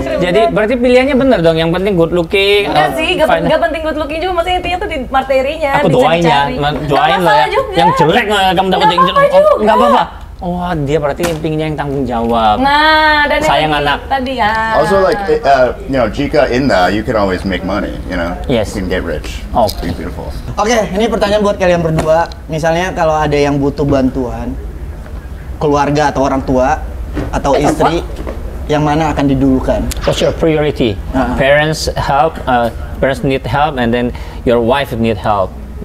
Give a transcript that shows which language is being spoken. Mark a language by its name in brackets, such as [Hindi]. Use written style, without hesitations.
[Indonesian] Jadi berarti pilihannya benar dong. Yang penting good looking. Enggak sih, enggak penting good looking juga. Maksudnya intinya tuh di materinya. Aku doainnya, doain lah. Juga. Yang jelek nggak kamu dapat yang jelek. Enggak apa-apa. Wah, oh, dia berarti pinginnya yang tanggung jawab. Nah, dan sayang anak tadi ya. [English] Also like you know, [Indonesian] jika [English] in there you can always make money, you know. Yes. You can get rich. Oh, be beautiful. [Indonesian] Oke, okay, ini pertanyaan buat kalian berdua. Misalnya kalau ada yang butuh bantuan keluarga atau orang tua atau istri, yang mana akan didulukan? [English] What's your priority? Parents help, parents need help and then your wife need help.